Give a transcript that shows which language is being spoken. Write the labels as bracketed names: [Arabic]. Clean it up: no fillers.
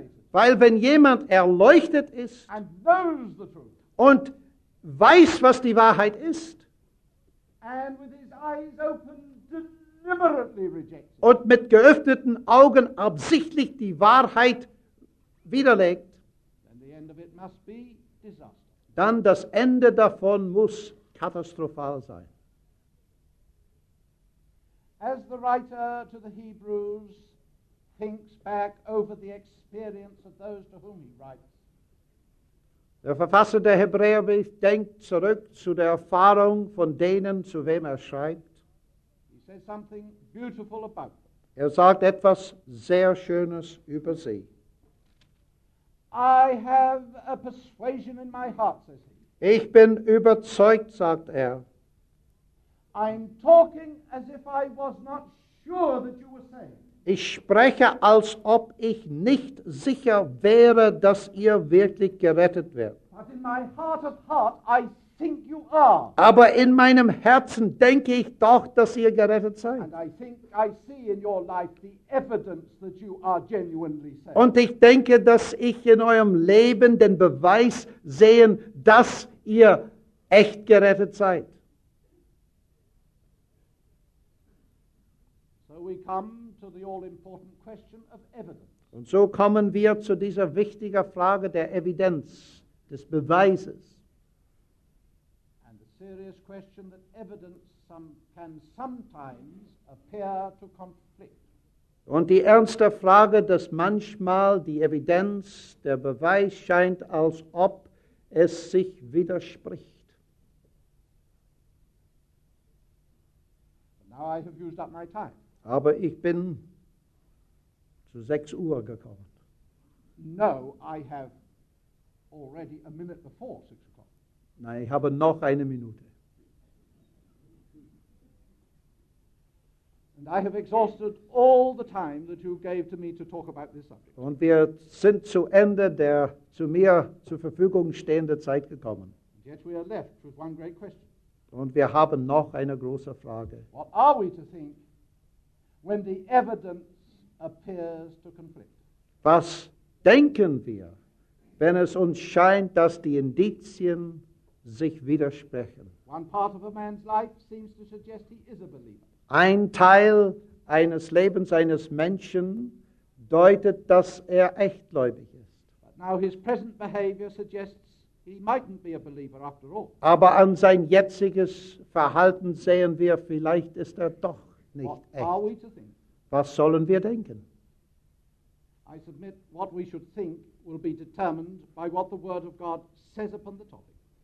[German] Weil wenn jemand erleuchtet ist und weiß, was die Wahrheit ist, [English] and with his eyes open, deliberately rejects it. [German] Und mit geöffneten Augen absichtlich die Wahrheit widerlegt, [English] then the end of it must be disaster. [German] Dann das Ende davon muss katastrophal sein. [English] As the writer to the Hebrews thinks back over the experience of those to whom he writes, [German] der Verfasser der Hebräerbrief denkt zurück zu der Erfahrung von denen, zu wem er schreibt. [English] Says something beautiful about them. [German] Er sagt etwas sehr Schönes über sie. [English] I have a persuasion in my heart, says he. [German] Ich bin überzeugt, sagt er. [English] I'm talking as if I was not sure that you were saved. [German] Ich spreche, als ob ich nicht sicher wäre, dass ihr wirklich gerettet werdet. [English] But in my heart of heart, I think you are. [German] Aber in meinem Herzen denke ich doch, dass ihr gerettet seid. Und ich denke, dass ich in eurem Leben den Beweis sehe, dass ihr echt gerettet seid. [English] So we come to the all-important question of evidence. [German] Und so kommen wir zu dieser wichtigen Frage der Evidenz, des Beweises. [English] Serious question that evidence can sometimes appear to conflict. [German] Und die ernste Frage, dass manchmal die Evidenz, der Beweis scheint, als ob es sich widerspricht. [English] But now I have used up my time. [German] Aber ich bin zu 6 Uhr gekommen. [English] No, I have already a minute before 6 o'clock. [German] Nein, ich habe noch eine Minute. [English] And I have exhausted all the time that you gave to me to talk about this subject. [German] Und wir sind zu Ende der zu mir zur Verfügung stehenden Zeit gekommen. [English] And yet we are left with one great question. [German] Und wir haben noch eine große Frage. [English] What are we to think when the evidence appears to conflict? [German] Was denken wir, wenn es uns scheint, dass die Indizien sich widersprechen? [English] One part of a man's life seems to suggest he is a believer. [German] Ein Teil eines Lebens eines Menschen deutet, dass er echtgläubig ist. [English] But now his present behavior suggests he mightn't be a believer after all. [German] Aber an sein jetziges Verhalten sehen wir, vielleicht ist er doch nicht echt. [English] What are we to think? [German] Was sollen wir denken? [English] I submit what we should think will be determined by what the Word of God says upon the topic.